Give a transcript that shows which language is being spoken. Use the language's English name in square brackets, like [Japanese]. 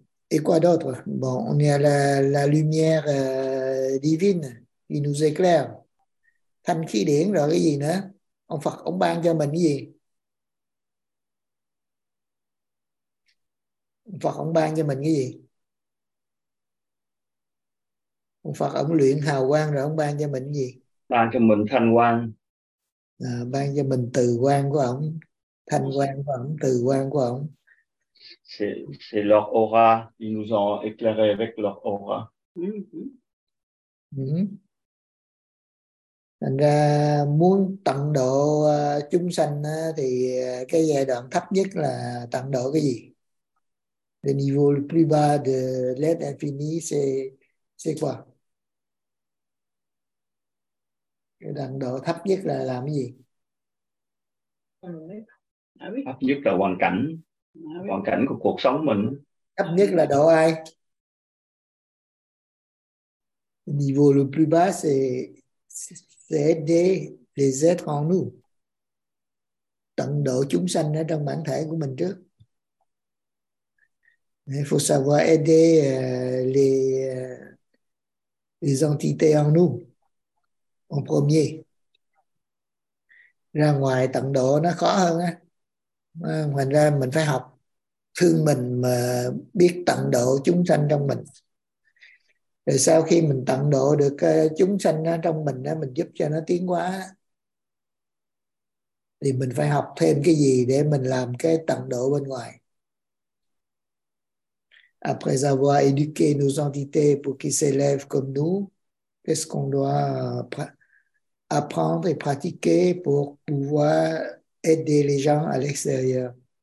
[French] Et quoi d'autre? Bon, on est à la lumière divine, il nous éclaire. [Vietnamese] Thanh khí điển rồi cái gì nữa? Ông Phật ông ban cho mình cái gì? Ông Phật ông ban cho mình cái gì? Ông Phật ông luyện hào quang rồi ông ban cho mình cái gì? Ban cho mình thanh quang. À, ban cho mình từ quan của ông, thanh quan của ông, từ quan của ông. [French] C'est leur aura, ils nous ont éclairé avec leur aura. Mm-hmm. [Vietnamese] Thành ra muốn tận độ chúng sanh thì cái giai đoạn thấp nhất là tận độ cái gì? [French] Le niveau le plus bas de l'être infini, c'est quoi? [Vietnamese] Cái tận độ thấp nhất là làm cái gì? Thấp nhất là hoàn cảnh của cuộc sống mình. Thấp nhất là độ ai? [French] Le niveau le plus bas, c'est aider les êtres en nous. [Vietnamese] Tận độ chúng sanh ở trong bản thể của mình trước. [French] Il faut savoir aider les entités en nous, en premier. [Vietnamese] Ra ngoài tận độ nó khó hơn á. Thành ra mình phải học thương mình mà biết tận độ chúng sanh trong mình. Rồi sau khi mình tận độ được chúng sanh trong mình, mình giúp cho nó tiến hóa, thì mình phải học thêm cái gì để mình làm cái tận độ bên ngoài. [French] Après avoir éduqué nos entités pour qu'ils s'élèvent comme nous, qu'est-ce qu'on doit apprendre et pratiquer pour pouvoir aider les gens à l'extérieur?